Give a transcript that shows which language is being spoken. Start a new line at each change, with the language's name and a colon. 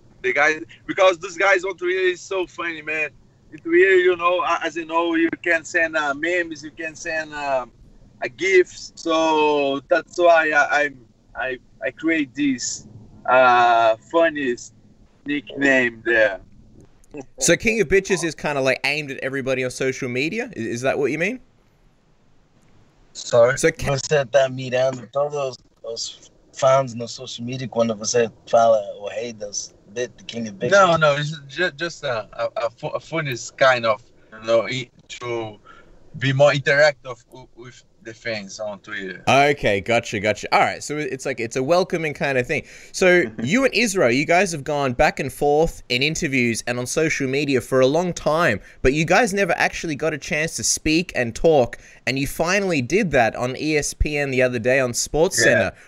English: The guys, because those guys on Twitter is so funny, man. Twitter, you know, as you know, you can send memes, you can send gifts. So that's why I create this funniest nickname there. So King of Bitches is kind of like aimed at everybody on social media. Is that what you mean? Sorry.
Portuguese: So can você tá mirando todos os fãs no social media quando você fala o rei dos King of Bitches?
English: No, it's just a funniest kind of, you know, to be more interactive with the fans on Twitter. Okay, gotcha. All right, so it's like it's a welcoming kind of thing. So you and Israel, you guys have gone back and forth in interviews and on social media for a long time, but you guys never actually got a chance to speak and talk, and you finally did that on ESPN the other day on SportsCenter. Yeah.